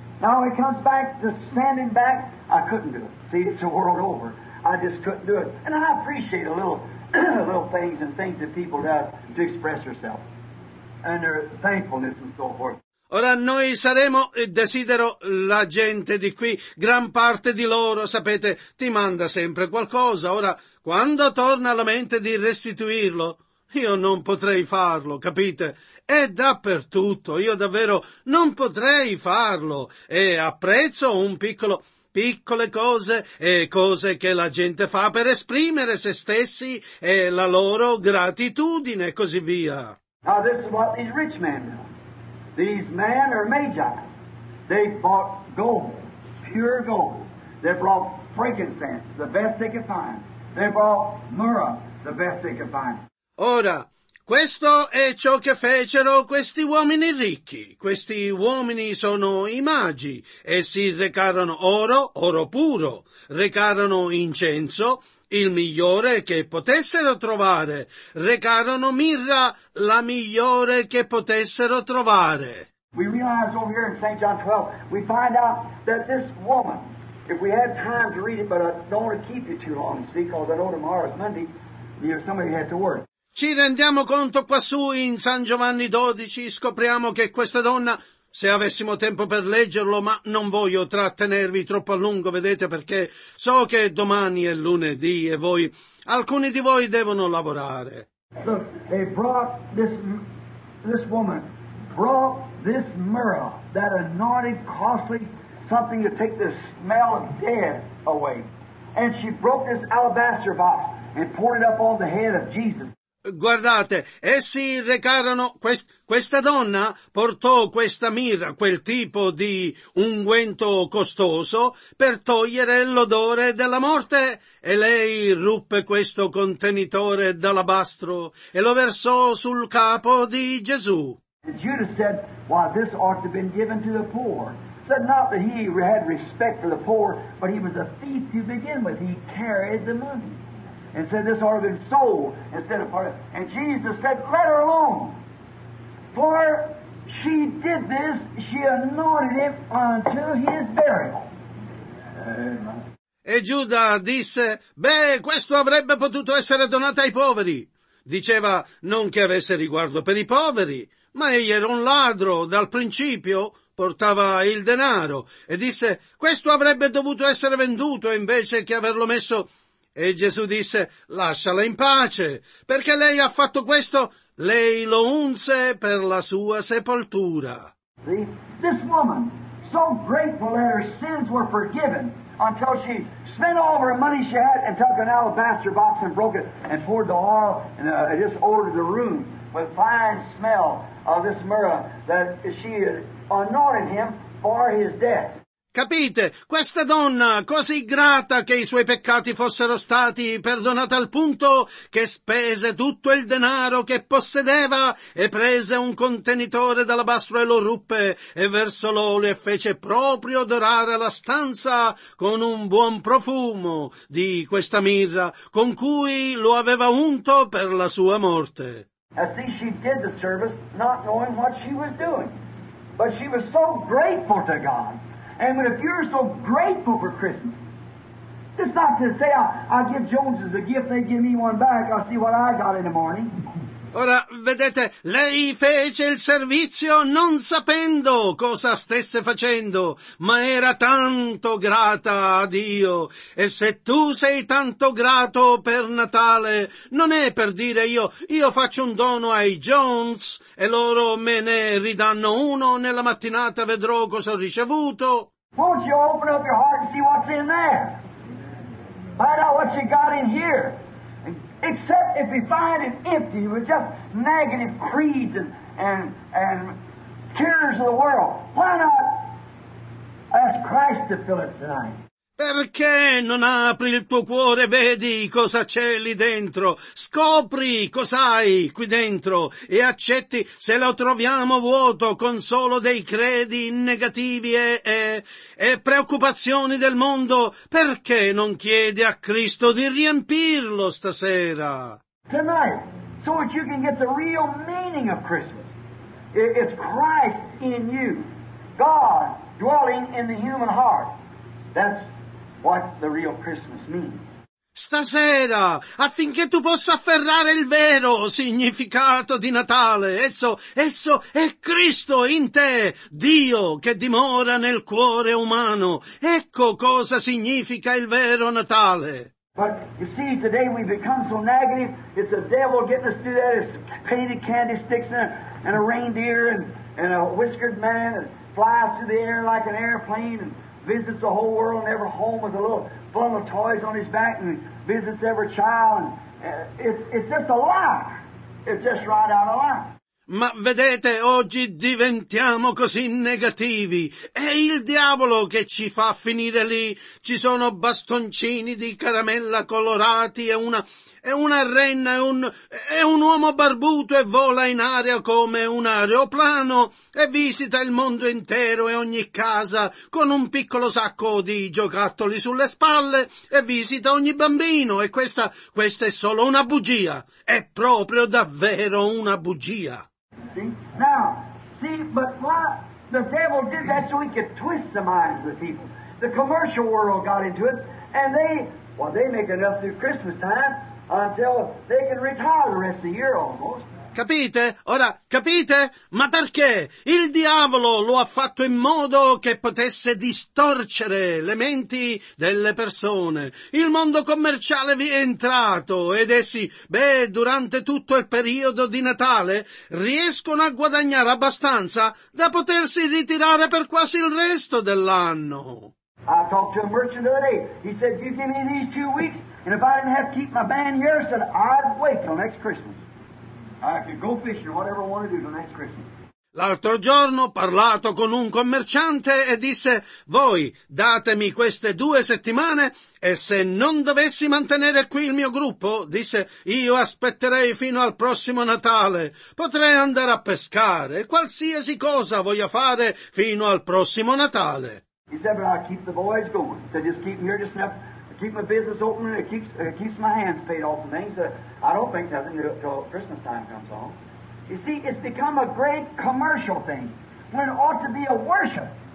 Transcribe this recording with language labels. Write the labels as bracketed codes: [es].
[en] Now it comes back to standing back. I couldn't do it. See, it's the world over. I just couldn't do it. And I appreciate a little little things and things that people have to express themselves and their thankfulness and so forth. [it] Ora noi saremo, e desidero la gente di qui, gran parte di loro, sapete, ti manda sempre qualcosa. Ora, quando torna alla mente di restituirlo, io non potrei farlo, capite? È dappertutto, io davvero non potrei farlo. E apprezzo un piccole cose e cose che la gente fa per esprimere se stessi e la loro gratitudine e così via. [en] Now this is what these rich men do. These men are magi. They bought gold, pure gold. They brought frankincense, the best they could find. They brought myrrh, the best they could find. [it] Ora, questo è ciò che fecero questi uomini ricchi. Questi uomini sono i magi. Essi recarono oro, oro puro. Recarono incenso, il migliore che potessero trovare. Recarono mirra, la migliore che potessero trovare. [en] We realize over here in St. John 12, we find out that this woman, if we had time to read it, but I don't want to keep you too long, see, because I know tomorrow is Monday, you know, somebody had to work. [it] Ci rendiamo conto quassù in San Giovanni 12, scopriamo che questa donna, se avessimo tempo per leggerlo, ma non voglio trattenervi troppo a lungo, vedete, perché so che domani è lunedì e voi, alcuni di voi devono lavorare. [en] Look, they brought this woman, brought this myrrh, that anointed costly something to take the smell of death away. And she broke this alabaster box and poured it up on the head of Jesus. [it] Guardate, essi recarono, questa donna portò questa mirra, quel tipo di unguento costoso, per togliere l'odore della morte, e lei ruppe questo contenitore d'alabastro e lo versò sul capo di Gesù. [en] Judas said, well, this ought to have been given to the poor, said not that he had respect for the poor, but he was a thief to begin with. He carried the money and said this ought to have been sold instead of part of it. And Jesus said, let her alone. For she did this, she anointed him unto his burial. [it] E Giuda disse, beh, questo avrebbe potuto essere donato ai poveri. Diceva non che avesse riguardo per i poveri, ma egli era un ladro, dal principio portava il denaro, e disse, questo avrebbe dovuto essere venduto invece che averlo messo. E Gesù disse, lasciala in pace, perché lei ha fatto questo, lei lo unse per la sua sepoltura. [en] See, this woman, so grateful that her sins were forgiven, until she spent all of her money she had and took an alabaster box and broke it and poured the oil and just ordered the room with fine smell of this myrrh that she had anointed him for his death. [it] Capite, questa donna, così grata che i suoi peccati fossero stati perdonati al punto che spese tutto il denaro che possedeva e prese un contenitore d'alabastro e lo ruppe e versò l'olio e fece proprio odorare la stanza con un buon profumo di questa mirra con cui lo aveva unto per la sua morte. [en] See, she did the service not knowing what she was doing, but she was so grateful to God. And if you're so grateful for Christmas, it's not to say I give Joneses a gift, they give me one back, I'll see what I got in the morning. [it] Ora, vedete, lei fece il servizio non sapendo cosa stesse facendo, ma era tanto grata a Dio. E se tu sei tanto grato per Natale, non è per dire io faccio un dono ai Jones e loro me ne ridanno uno, nella mattinata vedrò cosa ho ricevuto. [en] Won't you open up your heart and see what's in there? Find out what you got in here. Except if we find it empty with just negative creeds and cares of the world. Why not ask Christ to fill it tonight? [it] Perché non apri il tuo cuore, vedi cosa c'è lì dentro, scopri cos'hai qui dentro e accetti, se lo troviamo vuoto con solo dei credi negativi e preoccupazioni del mondo, perché non chiedi a Cristo di riempirlo stasera? [en] Tonight, so that you can get the real meaning of Christmas, it's Christ in you, God dwelling in the human heart, that's what the real Christmas means. [it] Stasera, affinché tu possa afferrare il vero significato di Natale, esso è Cristo in te, Dio che dimora nel cuore umano. Ecco cosa significa il vero Natale. [en] But you see, today we become so negative, it's the devil getting us through that, it's painted candy sticks and a reindeer and a whiskered man that flies through the air like an airplane and visits the whole world and every home with a little bundle of toys on his back and visits every child. And it's just a lie. It's just right out of line. [it] Ma vedete, oggi diventiamo così negativi. È il diavolo che ci fa finire lì. Ci sono bastoncini di caramella colorati e una renna e un uomo barbuto e vola in aria come un aeroplano e visita il mondo intero e ogni casa con un piccolo sacco di giocattoli sulle spalle e visita ogni bambino. E questa è solo una bugia. È proprio davvero una bugia. [en] See? Now, see, but why the devil did that so he could twist the minds of the people. The commercial world got into it, and they make enough through Christmas time until they can retire the rest of the year almost. [it] Capite? Ora, capite? Ma perché? Il diavolo lo ha fatto in modo che potesse distorcere le menti delle persone. Il mondo commerciale vi è entrato ed essi, beh, durante tutto il periodo di Natale, riescono a guadagnare abbastanza da potersi ritirare per quasi il resto dell'anno. [en] I talked to a merchant the other day. He said, you give me these 2 weeks, and if I didn't have to keep my band here, I said, I'd wait till next Christmas. I could go fishing or whatever I want to do till next Christmas. [it] L'altro giorno ho parlato con un commerciante e disse: voi datemi queste 2 settimane e se non dovessi mantenere qui il mio gruppo, disse, io aspetterei fino al prossimo Natale. Potrei andare a pescare, qualsiasi cosa voglia fare fino al prossimo Natale. [en] He said, but I keep the boys going. He said, just keep them here just enough. Keep my business open and it keeps my hands paid off and things. I don't think nothing until Christmas time comes on. You see, it's become a great commercial thing when it ought to be a worship.